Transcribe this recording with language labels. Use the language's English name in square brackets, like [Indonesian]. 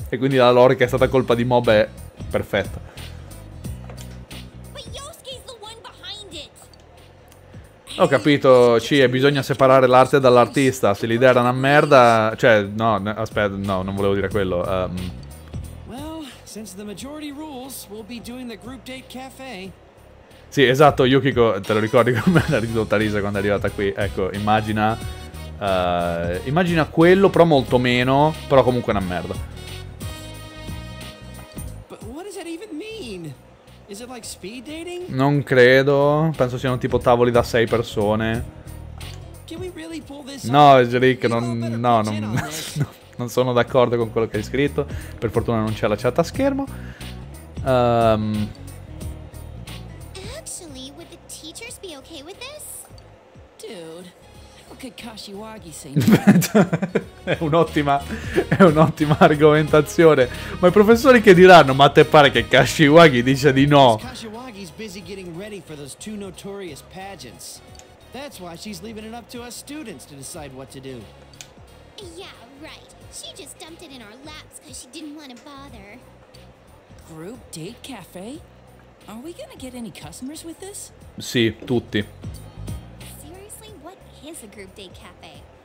[Italian] E quindi la lore che è stata colpa di Mob è perfetta. [English] But Yosuke's the one behind it. [Italian] Ho capito, sì, bisogna separare l'arte dall'artista. Se l'idea era una merda, cioè, no, aspetta, no, non volevo dire quello. [English] Since the majority rules, we'll be doing the group date cafe. [Italian] Sì, esatto, Yukiko, te lo ricordi com'è la ridotta risa quando è arrivata qui? Ecco, immagina immagina quello, però molto meno, però comunque una merda. [English] But what does that even mean? Is it like speed dating? [Italian] Non credo, penso siano tipo tavoli da 6 persone. [English] Can we really pull this off? [Italian] No, Jerick, non sono d'accordo con quello che hai scritto. Per fortuna non c'è la chat a schermo. [English] Actually, would the teachers be okay with this? Dude, what could Kashiwagi say? [Italian] È un'ottima argomentazione. Ma i professori che diranno? Ma a te pare che Kashiwagi dice di no? [English] Kashiwagi's busy getting ready for those two notorious pageants. That's why she's leaving it up to us students to decide what to do. Yeah, right. She just dumped it in our laps because she didn't want to bother. Group date cafe? Are we gonna get any customers with this? [Italian] Sì, tutti. [English] Seriously, what is a group date cafe?